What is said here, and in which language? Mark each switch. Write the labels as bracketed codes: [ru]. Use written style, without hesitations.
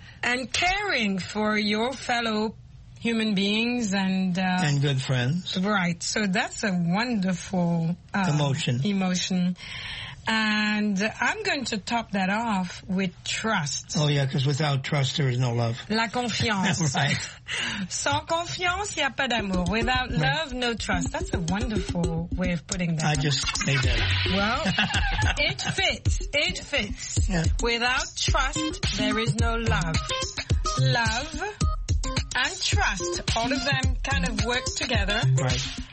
[en] And caring for your fellow human beings and... And good friends. Right. So that's a wonderful... Emotion. Emotion. And I'm going to top that off with trust. Oh, yeah, because without trust, there is no love. [fr] La confiance. [en] Right. [fr] Sans confiance, il n'y a pas d'amour. [en] Without love, no trust. That's a wonderful way of putting that. I just made that. Well, it fits. It fits. Yeah. Without trust, there is no love. Love and trust, all of them kind of work together. Right.